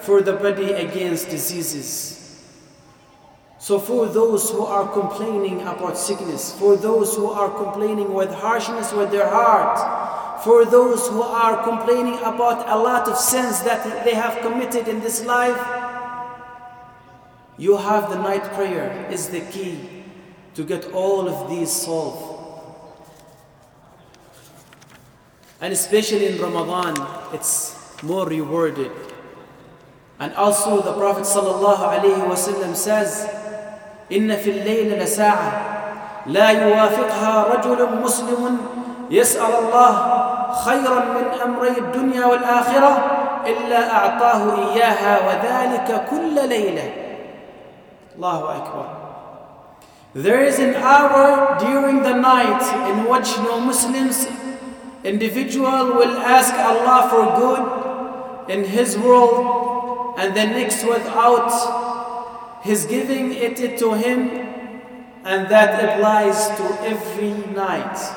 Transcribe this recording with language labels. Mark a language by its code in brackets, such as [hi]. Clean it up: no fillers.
[en] for the body against diseases. So for those who are complaining about sickness, for those who are complaining with harshness with their heart, for those who are complaining about a lot of sins that they have committed in this life, you have the night prayer is the key to get all of these solved. And especially in Ramadan, it's more rewarded. And also the Prophet [ar] sallallahu alaihi wasallam [en] says, [ar] إِنَّ فِي اللَّيْلِ لَسَاعَةً لَا يُوَافِقْهَا رَجُلٌ مُسْلِمٌ يَسْأَلَ اللَّهُ خَيْرًا مِنْ أَمْرَي الدُّنْيَا وَالْآخِرَةِ إِلَّا أَعْطَاهُ إِيَّاهَا وَذَلِكَ كُلَّ لَيْلَةٍ. الله أكبر. [en] There is an hour during the night in which no Muslims individual will ask Allah for good in his world, and the next without his giving it to him, and that applies to every night.